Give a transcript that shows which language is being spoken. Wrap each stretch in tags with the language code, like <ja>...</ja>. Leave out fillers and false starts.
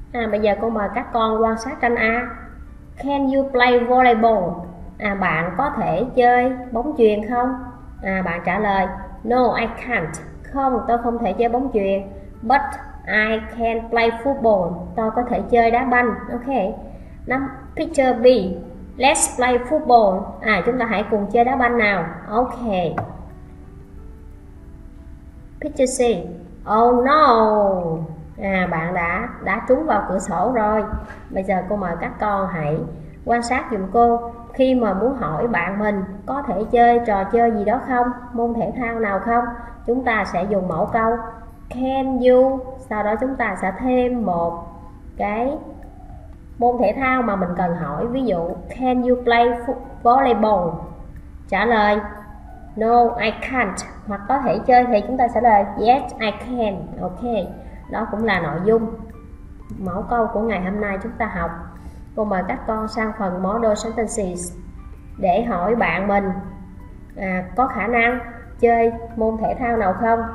<vi>Bây giờ cô mời các con quan sát tranh A.</vi> <en>Can you play volleyball?</en> <vi>Bạn có thể chơi bóng chuyền không? Bạn trả lời</vi> <en>No, I can't.</en> <vi>Không, tôi không thể chơi bóng chuyền.</vi> <en>But I can play football.</en> <vi>Tôi có thể chơi đá banh.</vi> <en>Ok. Picture B. Let's play football.</en> <vi>Chúng ta hãy cùng chơi đá banh nào. Ok.</vi> <en>Picture C. Oh no.</en> <vi>Bạn đã trúng vào cửa sổ rồi. Bây giờ cô mời các con hãy quan sát giùm cô. Khi mà muốn hỏi bạn mình có thể chơi trò chơi gì đó không, môn thể thao nào không, chúng ta sẽ dùng mẫu câu Can you. Sau đó chúng ta sẽ thêm một cái môn thể thao mà mình cần hỏi. Ví dụ</vi> <en>Can you play volleyball?</en> <vi>Trả lời</vi> <en>No, I can't.</en> <vi>Hoặc có thể chơi thì chúng ta sẽ lời</vi> <en>Yes, I can.</en> <vi>Ok. Đó cũng là nội dung mẫu câu của ngày hôm nay chúng ta học. Cô mời các con sang phần model sentences để hỏi bạn mình có khả năng chơi môn thể thao nào không.</vi>